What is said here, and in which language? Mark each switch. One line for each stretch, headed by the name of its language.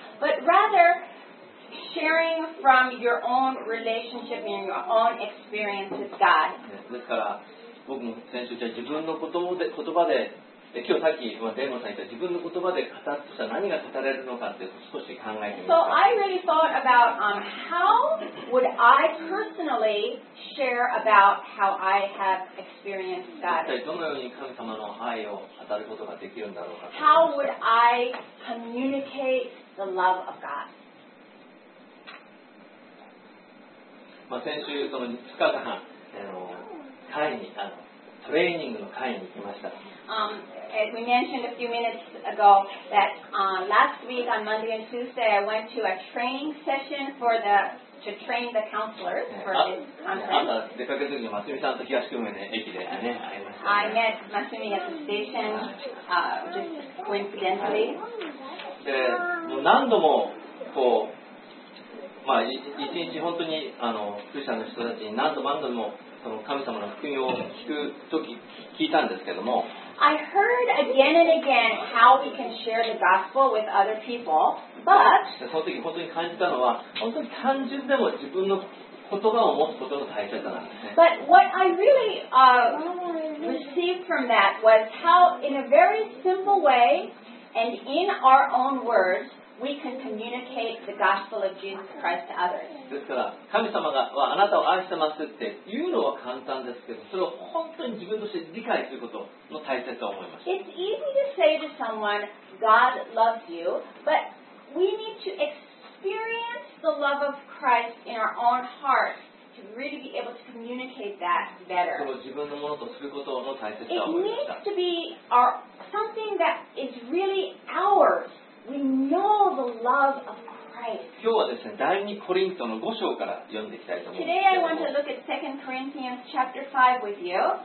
English: But rather sharing from your own relationship and your own experience with God.
Japanese: ですから僕も先週じゃ自分の言葉で今日さっきデーモンさん言った自分の言葉で語ってたら何が語れるのかって少し考えてみて。
English: So I really thought about how would I personally share about how I have experienced God.
Japanese: 一体どのように神様の愛を語ることができるんだろうか。
English: How would I communicate? The love of God.
Japanese: まあ先週その2日間会にトレーニングの会に行きました。
English: As we mentioned a few minutes ago that last week on Monday and Tuesday I went to a training session for to train the counselors for this conference.
Japanese: 出かけ時に松見さんと東久留米の駅で会いました、ね。
English: I met Masumi at the station just coincidentally.
Japanese: もう何度もこう、まあ、一日本当にクリスチャンの人たちに何度も何度もその神様の福音を聞くとき聞いたんですけども、
English: I heard again and again how we can share the gospel with other people, but
Japanese: その時本当に感じたのは本当に単純でも自分の言葉を持つことの大切さなんですね。
English: But what I really received from that was how in a very simple wayAnd in our own words, we can communicate the gospel of Jesus Christ to others.
Japanese: ですから、神様がはあなたを愛してますって言うのは簡単ですけど、それを本当に自分として理解することの大切さを思いました。
English: It's easy to say to someone, God loves you, but we need to experience the love of Christ in our own hearts. To really be able to communicate that better.
Japanese: その自分のものとすることの大切さを思いました。
English: It needs to be our something that is really ours. We know the love of Christ.
Japanese: 今日はですね、第2コリントの5章から読んでいきたいと思います。
English: Today I want to look at 2 Corinthians chapter 5 with you.